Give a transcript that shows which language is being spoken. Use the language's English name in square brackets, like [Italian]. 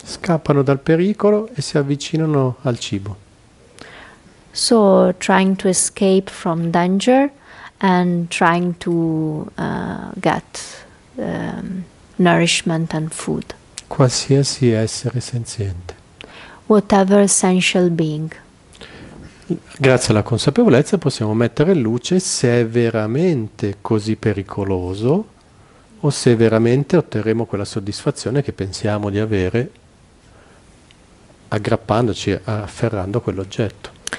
[Italian] Scappano dal pericolo e si avvicinano al cibo. [English] So trying to escape from danger and trying to get nourishment and food. [Italian] Qualsiasi essere senziente. [English] Whatever essential being. [Italian] Grazie alla consapevolezza possiamo mettere in luce se è veramente così pericoloso o se veramente otterremo quella soddisfazione che pensiamo di avere aggrappandoci, afferrando quell'oggetto.